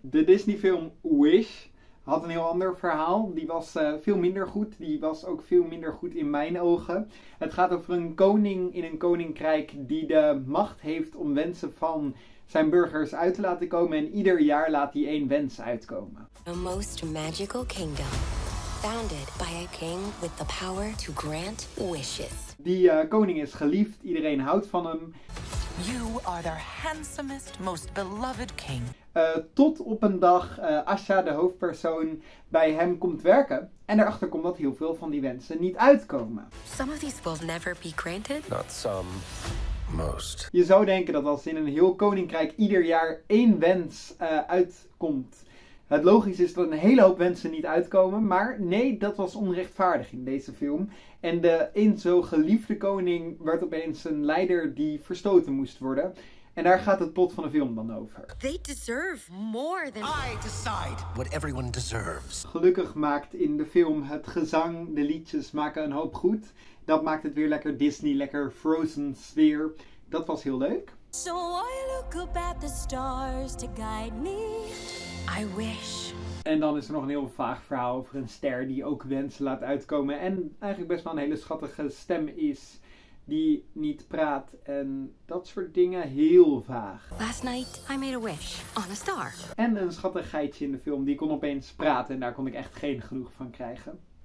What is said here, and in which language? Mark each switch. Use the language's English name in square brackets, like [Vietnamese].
[Dutch] De Disney film Wish had een heel ander verhaal. Die was veel minder goed. Die was ook veel minder goed in mijn ogen. Het gaat over een koning in een koninkrijk die de macht heeft om wensen van zijn burgers uit te laten komen. En ieder jaar laat hij één wens uitkomen. [English] The most magical kingdom. Founded by a king with the power to grant wishes. [Dutch] Die koning is geliefd. Iedereen houdt van hem. [English] You are their handsomest, most beloved king. [Dutch] Tot op een dag Asha, de hoofdpersoon, bij hem komt werken. En erachter komt dat heel veel van die wensen niet uitkomen. [English] Some of these will never be granted. Not some, most. [Dutch] Je zou denken dat als in een heel koninkrijk ieder jaar één wens uitkomt, het logisch is dat een hele hoop wensen niet uitkomen. Maar nee, dat was onrechtvaardig in deze film. En de eens zo geliefde koning werd opeens een leider die verstoten moest worden. En daar gaat het plot van de film dan over. [English] They deserve more than I decide what everyone deserves. [Dutch] Gelukkig maakt in de film het gezang, de liedjes maken een hoop goed. Dat maakt het weer lekker Disney, lekker Frozen sfeer. Dat was heel leuk. [English] So I look up at the stars to guide me. I wish. [Dutch] En dan is er nog een heel vaag verhaal over een ster die ook wensen laat uitkomen. En eigenlijk best wel een hele schattige stem is. Die niet praat en dat soort dingen heel vaag. [English] Last night I made a wish on a star. [Dutch] En een schattig geitje in de film die kon opeens praten en daar kon ik echt geen genoeg van krijgen.